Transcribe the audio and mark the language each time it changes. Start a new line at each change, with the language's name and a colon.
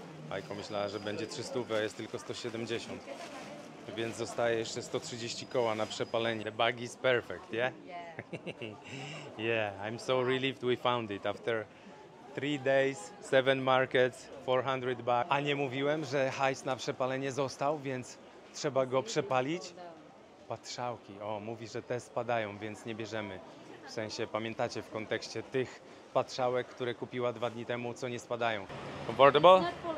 Polish: Ajko, myślała, że będzie 300, a jest tylko 170. Więc zostaje jeszcze 130 koła na przepalenie.
English: The bag is perfect, yeah? Yeah. Yeah, I'm so relieved we found it. After 3 days, 7 markets, 400 bucks.
Polish: A nie mówiłem, że hajs na przepalenie został, więc trzeba go przepalić? Patrzałki. O, mówi, że te spadają, więc nie bierzemy. W sensie, pamiętacie w kontekście tych patrzałek, które kupiła 2 dni temu, co nie spadają.
English: Comfortable?